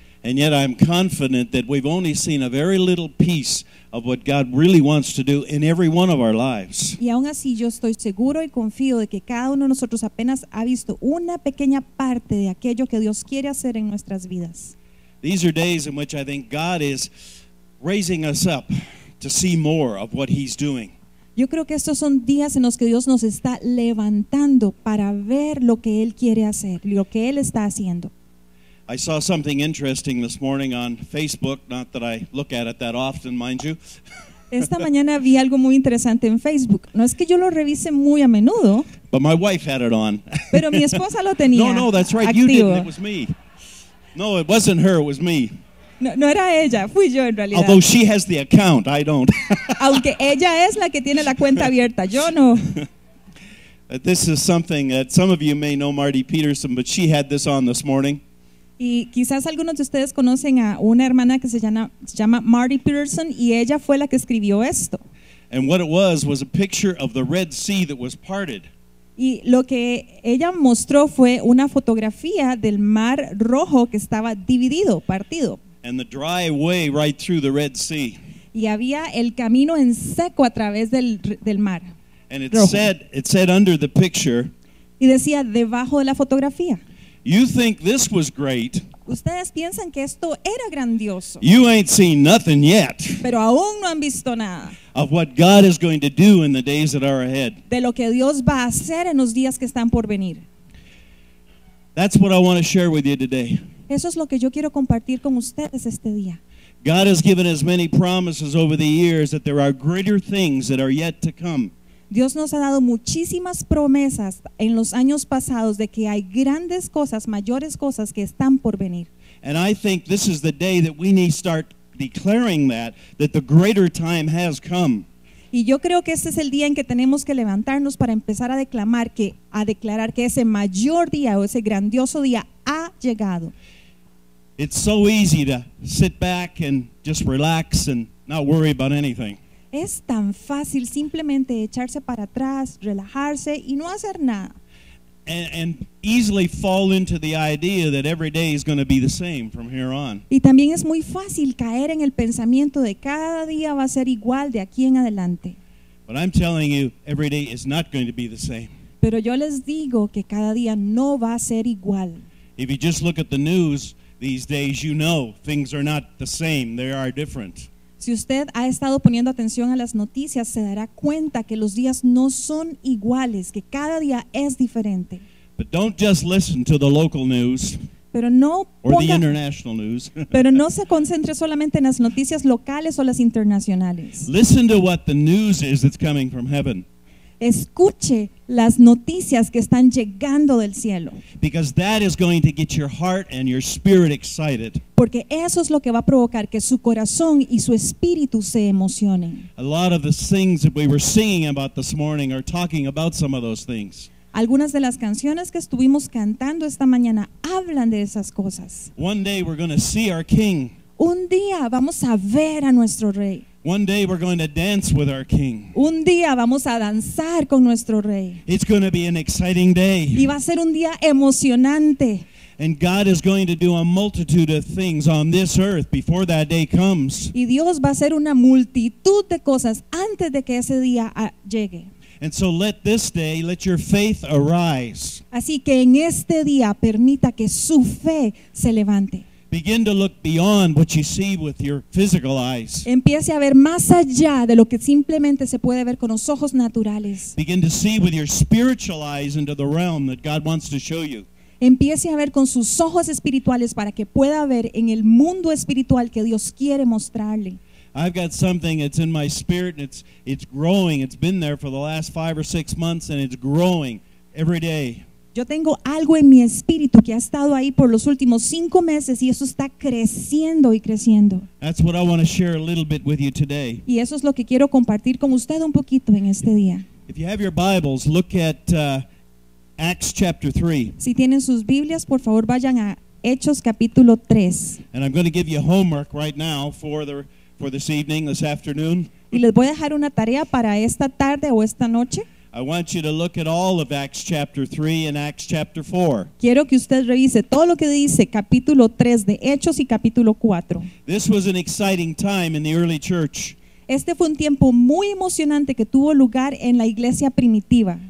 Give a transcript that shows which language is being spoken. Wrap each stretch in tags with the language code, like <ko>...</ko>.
<en>And yet I'm confident that we've only seen a very little piece of what God really wants to do in every one of our lives.</en> <es>Y aún así yo estoy seguro y confío de que cada uno de nosotros apenas ha visto una pequeña parte de aquello que Dios quiere hacer en nuestras vidas.</es> <en>These are days in which I think God is raising us up to see more of what he's doing.</en> <es>Yo creo que estos son días en los que Dios nos está levantando para ver lo que él quiere hacer, lo que él está haciendo.</es> <en>I saw something interesting this morning on Facebook, not that I look at it that often, mind you.</en> <es>Esta mañana vi algo muy interesante en Facebook. No es que yo lo revise muy a menudo.</es> <en>But my wife had it on.</en> <es>Pero mi esposa lo tenía.</es> <en>No, that's right,</en> <es>activo.</es> <en>You didn't, it was me. No, it wasn't her, it was me.</en> <es>No era ella, fui yo en realidad.</es> <en>Although she has the account, I don't.</en> <es>Aunque ella es la que tiene la cuenta abierta, yo no.</es> <en>This is something that some of you may know Marty Peterson, but she had this on this morning.</en> <es>Y quizás algunos de ustedes conocen a una hermana que se llama Marty Peterson, y ella fue la que escribió esto.</es> <en>And what it was a picture of the Red Sea that was parted.</en> <es>Y lo que ella mostró fue una fotografía del Mar Rojo que estaba dividido, partido.</es> <en>And the dry way right through the Red Sea.</en> <es>Y había el camino en seco a través del mar.</es> <en>And it said under the picture.</en> <es>Y decía debajo de la fotografía.</es> <en>You think this was great.</en> <es>Ustedes piensan que esto era grandioso.</es> <en>You ain't seen nothing yet.</en> <es>Pero aún no han visto nada.</es> <en>Of what God is going to do in the days that are ahead.</en> <es>De lo que Dios va a hacer en los días que están por venir.</es> <en>That's what I want to share with you today.</en> <es>Eso es lo que yo quiero compartir con ustedes este día.</es> <en>God has given us many promises over the years that there are greater things that are yet to come.</en> <es>Dios nos ha dado muchísimas promesas en los años pasados de que hay grandes cosas, mayores cosas que están por venir.</es> <en>And I think this is the day that we need to start declaring that the greater time has come.</en> <es>Y yo creo que este es el día en que tenemos que levantarnos para empezar a declarar que ese mayor día o ese grandioso día ha llegado.</es> <en>It's so easy to sit back and just relax and not worry about anything.</en> <es>Es tan fácil simplemente echarse para atrás, relajarse y no hacer nada.</es> <en>And easily fall into the idea that every day is going to be the same from here on.</en> <es>Y también es muy fácil caer en el pensamiento de cada día va a ser igual de aquí en adelante.</es> <en>But I'm telling you, every day is not going to be the same.</en> <es>Pero yo les digo que cada día no va a ser igual.</es> <en>If you just look at the news these days, you know things are not the same, they are different.</en> <es>Si usted ha estado poniendo atención a las noticias, se dará cuenta que los días no son iguales, que cada día es diferente.</es> <en>But don't just listen to the local news.</en> <es>Pero no ponga,</es> <en>or the international news.</en> <es>Pero no se concentre solamente en las noticias locales o las internacionales.</es> <en>Listen to what the news is that's coming from heaven.</en> <es>Escuche las noticias que están llegando del cielo.</es> <en>Because that is going to get your heart and your spirit excited.</en> <es>Porque eso es lo que va a provocar que su corazón y su espíritu se emocionen.</es> <en>A lot of the things that we were singing about this morning are talking about some of those things.</en> <es>Algunas de las canciones que estuvimos cantando esta mañana hablan de esas cosas.</es> <en>One day we're going to see our king.</en> <es>Un día vamos a ver a nuestro rey.</es> <en>One day we're going to dance with our king.</en> <es>Un día vamos a danzar con nuestro rey.</es> <en>It's going to be an exciting day.</en> <es>Y va a ser un día emocionante.</es> <en>And God is going to do a multitude of things on this earth before that day comes.</en> <es>Y Dios va a hacer una multitud de cosas antes de que ese día llegue.</es> <en>And so let this day, let your faith arise.</en> <es>Así que en este día permita que su fe se levante.</es> <en>Begin to look beyond what you see with your physical eyes.</en> <es>Empiece a ver más allá de lo que simplemente se puede ver con los ojos naturales.</es> <en>Begin to see with your spiritual eyes into the realm that God wants to show you.</en> <es>Empiece a ver con sus ojos espirituales para que pueda ver en el mundo espiritual que Dios quiere mostrarle.</es> <en>I've got something that's in my spirit and it's growing. It's been there for the last 5 or 6 months and it's growing every day.</en> <es>Yo tengo algo en mi espíritu que ha estado ahí por los últimos 5 meses y eso está creciendo y creciendo.</es> <en>That's what I want to share a little bit with you today.</en> <es>Y eso es lo que quiero compartir con usted un poquito en este día.</es> <en>If you have your Bibles, look at Acts chapter 3.</en> <es>Si tienen sus Biblias, por favor vayan a Hechos capítulo 3.</es> <en>And I'm going to give you homework right now for this evening, this afternoon.</en> <es>Y les voy a dejar una tarea para esta tarde o esta noche.</es> <en>I want you to look at all of Acts chapter 3 and Acts chapter 4.</en> <es>Quiero que usted revise todo lo que dice capítulo 3 de Hechos y capítulo 4.</es> <en>This was an exciting time in the early church.</en> <es>Este fue un tiempo muy emocionante que tuvo lugar en la iglesia primitiva.</es>